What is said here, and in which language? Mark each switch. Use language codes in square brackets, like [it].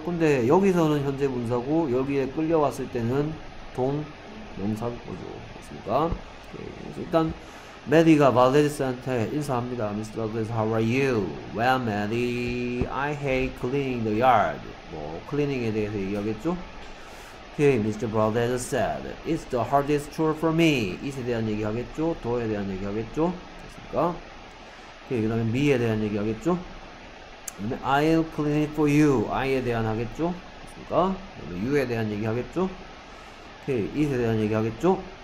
[ko] 근데 여기서는 현재 분사고 여기에 끌려왔을 때는 동 명사고죠. 맞습니까? 그래서 일단 Maddie가 Valdez한테 인사합니다. Mr. [en] Valdez, how are you? Well, Maddie, I hate cleaning the yard. [ko] 뭐 클리닝에 대해서 얘기하겠죠? [en] Okay, Mr. Valdez said, it's the hardest chore for me. [ko] It에 대한 얘기하겠죠? 더에 대한 얘기하겠죠? 맞습니까? Okay, 그다음에 me에 대한 얘기하겠죠? [en] I'll clean it for you. I에 대한 [ko] 하겠죠? 됐습니까? 그러면 you에 대한 얘기 하겠죠? Okay. it에 대한 얘기 하겠죠?